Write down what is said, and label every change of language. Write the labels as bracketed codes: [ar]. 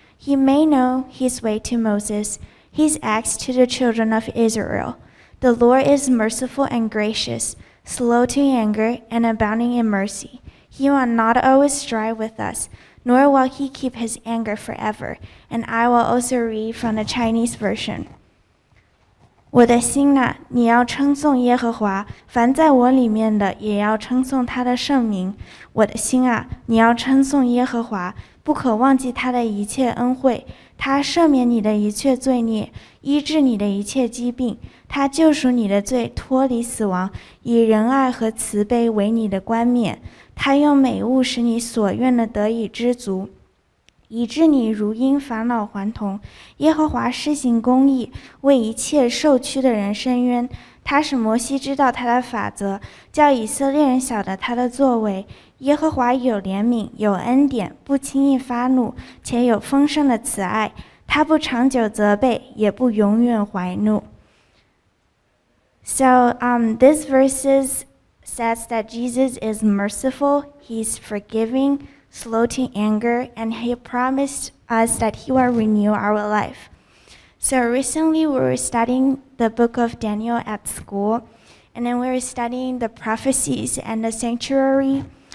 [en] He may know his way to Moses, his acts to the children of Israel. The Lord is merciful and gracious, slow to anger and abounding in mercy. He will not always strive with us, nor will he keep his anger forever. And I will also read from the Chinese version. [zh] 我的心啊，你要称颂耶和华，凡在我里面的也要称颂他的圣名。我的心啊，你要称颂耶和华，不可忘记他的一切恩惠。他赦免你的一切罪孽，医治你的一切疾病，他救赎你的罪，脱离死亡，以仁爱和慈悲为你的冠冕。他用美物使你所愿的得以知足，以致你如因返老还童。耶和华施行公义，为一切受屈的人伸冤。他使摩西知道他的法则，叫以色列人晓得他的作为。耶和华有怜悯，有恩典，不轻易发怒，且有丰盛的慈爱。他不长久责备，也不永远怀怒。 [en] So this verse says that Jesus is merciful, he's forgiving, slow to anger, and he promised us that he will renew our life. So recently we were studying the book of Daniel at school, and then we were studying the prophecies and the sanctuary.